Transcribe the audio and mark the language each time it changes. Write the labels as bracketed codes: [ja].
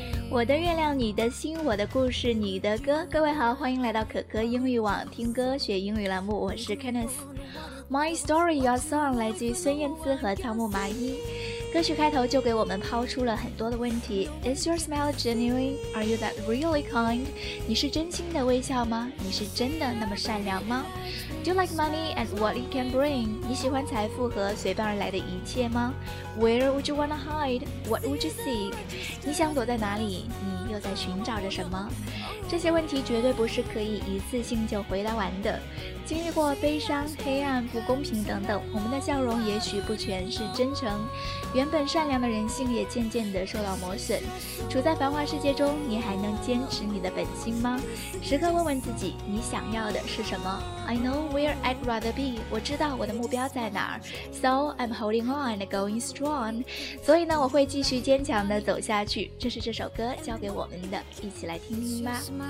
[zh] 我的月亮，你的心，我的故事，你的歌。各位好，欢迎来到可可英语网，听歌学英语栏目，我是 Kenneth。 My Story Your Song 来自于孙燕姿和仓木麻衣，歌曲开头就给我们抛出了很多的问题。 [en] Is your smile genuine? Are you that really kind? [zh] 你是真心的微笑吗？你是真的那么善良吗？ [en] Do you like money and what it can bring? [zh] 你喜欢财富和随便而来的一切吗？ [en] Where would you wanna hide? What would you seek? [zh] 你想躲在哪里？你又在寻找着什么？这些问题绝对不是可以一次性就回答完的。经历过悲伤、黑暗、不公平等等，我们的笑容也许不全是真诚，原本善良的人性也渐渐地受到磨损。处在繁华世界中，你还能坚持你的本心吗？时刻问问自己，你想要的是什么？ [en] I know where I'd rather be. [zh] 我知道我的目标在哪儿。 [en] So I'm holding on and going strong. [zh] 所以呢，我会继续坚强地走下去。这是这首歌教给我们的，一起来听听吧。